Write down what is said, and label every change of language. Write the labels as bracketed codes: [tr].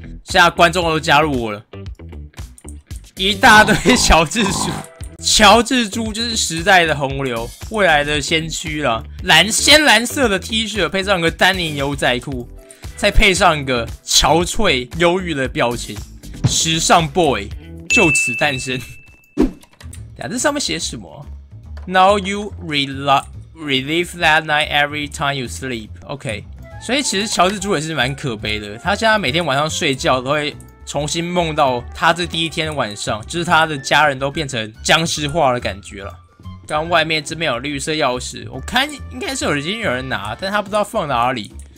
[zh] 现在观众都加入我了，一大堆乔治猪，乔治猪就是时代的洪流，未来的先驱啦，鲜蓝色的 T 恤配上一个丹尼牛仔裤，再配上一个憔悴忧郁的表情。时尚 boy 就此诞生。呀，这上面写什么 ？ [en] Now you relive that night every time you sleep. [zh] OK， 所以其实乔治猪也是蛮可悲的。他现在每天晚上睡觉都会重新梦到他这第一天晚上，就是他的家人都变成僵尸化的感觉了。刚外面这边有绿色钥匙，我看应该是已经有人拿，但他不知道放哪里。